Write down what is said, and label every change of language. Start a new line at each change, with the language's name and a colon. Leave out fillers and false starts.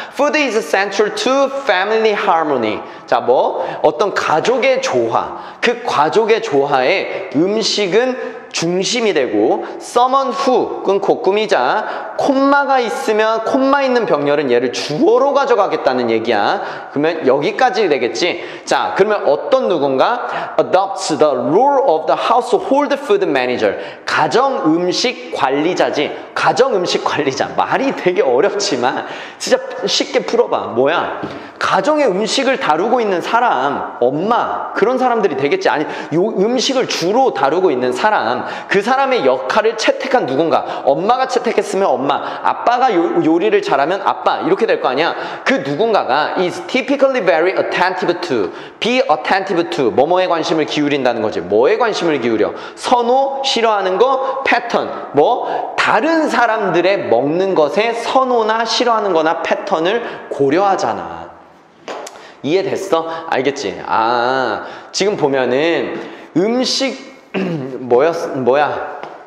English: Food is central to family harmony.
Korean: 자, 뭐? 어떤 가족의 조화. 그 가족의 조화에 음식은 중심이 되고,
English: someone who,
Korean: 끊고 꾸미자. 콤마가 있으면, 콤마 있는 병렬은 얘를 주어로 가져가겠다는 얘기야. 그러면 여기까지 되겠지? 자, 그러면 어떤 누군가?
English: adopts the role of the household food manager.
Korean: 가정 음식 관리자지. 가정 음식 관리자. 말이 되게 어렵지만, 진짜 쉽게 풀어봐. 뭐야? 가정의 음식을 다루고 있는 사람, 엄마, 그런 사람들이 되겠지. 아니, 요 음식을 주로 다루고 있는 사람, 그 사람의 역할을 채택한 누군가. 엄마가 채택했으면 엄마, 아빠가 요리를 잘하면 아빠, 이렇게 될 거 아니야. 그 누군가가
English: is typically very attentive to,
Korean: be attentive to, 뭐뭐에 관심을 기울인다는 거지. 뭐에 관심을 기울여? 선호, 싫어하는 거, 패턴, 뭐? 다른 사람들의 먹는 것에 선호나 싫어하는 거나 패턴을 고려하잖아. 이해됐어? 알겠지? 아, 지금 보면은 음식 뭐야?